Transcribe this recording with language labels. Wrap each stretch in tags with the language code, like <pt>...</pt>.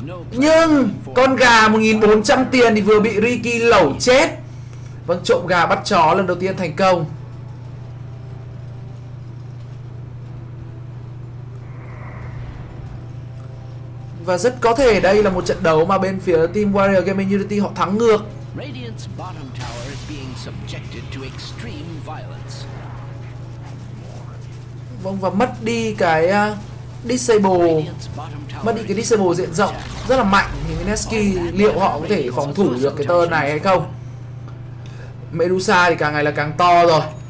<vi>Nhưng con gà 1.400 tiền thì vừa bị Ricky lẩu chết. Vâng, trộm gà bắt chó lần đầu tiên thành công. Và rất có thể đây là một trận đấu mà bên phía Team Warrior Gaming Unity họ thắng ngược.</vi> <en>Radiant's bottom tower is being subjected to extreme violence.</en> <vi>Vâng, và mất đi cái disable, mất đi cái disable diện rộng rất là mạnh, thì Mineski liệu họ có thể phòng thủ được cái turn này hay không? Medusa thì càng ngày là càng to rồi.</vi>